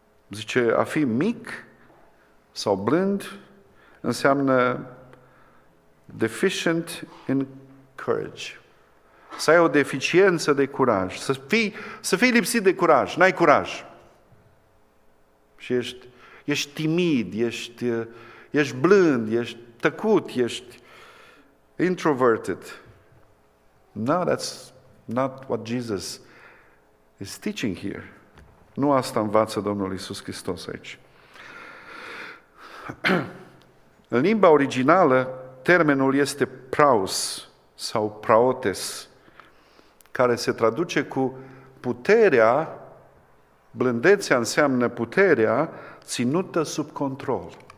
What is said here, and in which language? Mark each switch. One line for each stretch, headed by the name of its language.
Romanian: Zice, a fi mic sau blând înseamnă
English: deficient in courage.
Romanian: Să ai o deficiență de curaj, să fii lipsit de curaj, n-ai curaj. Și ești timid, ești blând, ești tăcut, ești introverted.
English: No, that's not what Jesus is teaching here.
Romanian: Nu asta învață Domnul Iisus Hristos aici. În limba originală, termenul este praus sau praotes, care se traduce cu puterea, blândețea înseamnă puterea ținută sub control.